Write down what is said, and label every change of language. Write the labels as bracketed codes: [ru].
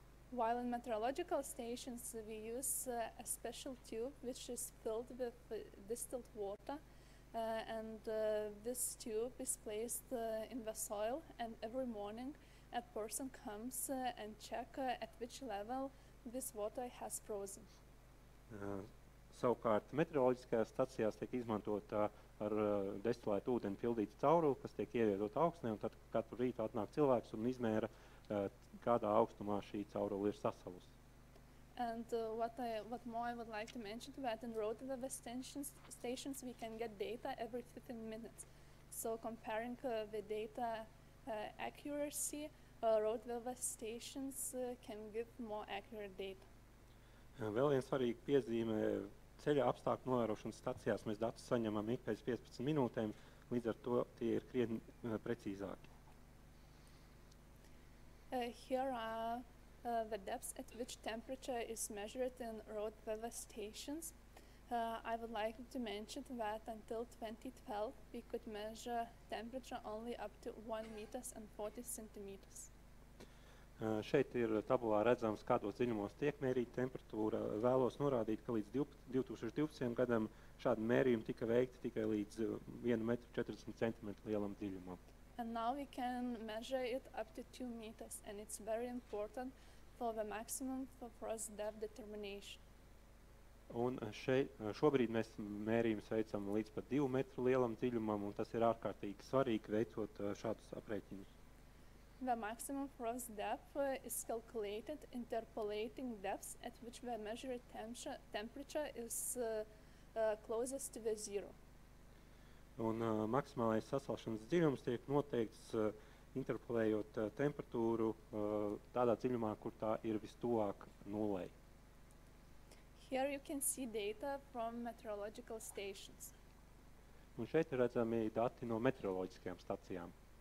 [en] While in meteorological stations we use a special tube, which is filled with distilled water, and this tube is placed in the soil, and every morning a person comes and check at which level this water has frozen. [lv] Savukārt meteoroloģiskajās stacijās tiek izmantot ar destilētu ūdeni pildītu caurulu, kas tiek ievietota augstnē, un tad katru rītu atnāk cilvēks un izmēra, kādā augstumā šī caurula ir sasalusi. [en] And what more I would like to mention, that in road weather stations we can get data every 15 minutes. So comparing the data accuracy, road weather stations can give more accurate data. [lv] Vēl viens svarīgs piezīme, ceļa apstākļu novērošanas stacijās mēs datus saņemam ik pēc 15 minūtēm, līdz ar to tie ir krietni precīzāki. [en] Here are the depths at which temperature is measured in road weather stations. I would like to mention that until 2012 we could measure temperature only up to 1 meters and 40 centimeters. [lv] Šeit ir tabulā redzams, kādos dziļumos tiek mērīta temperatūra. Vēlos norādīt, ka līdz 2020. gadam šādi mērījumi tika veikti tikai līdz 1,40 m lielam dziļumam. [en] And now we can measure it up to 2 meters, and it's very important for the maximum for frost depth determination. [lv] Un šobrīd mēs mērījumus veicam līdz pat 2 metru lielam dziļumam, un tas ir ārkārtīgi svarīgi veicot šādus aprēķinus. [en] The maximum frost depth is calculated interpolating depths at which the measured temperature is closest to the zero. [lv] Un maksimālais sasalšanas dziļums tiek noteikts interpolējot temperatūru tādā dziļumā, kur tā ir vistuvāk nulei. [en] Here you can see data from meteorological stations. [lv] Un šeit ir redzami dati no meteoroloģiskajām stacijām.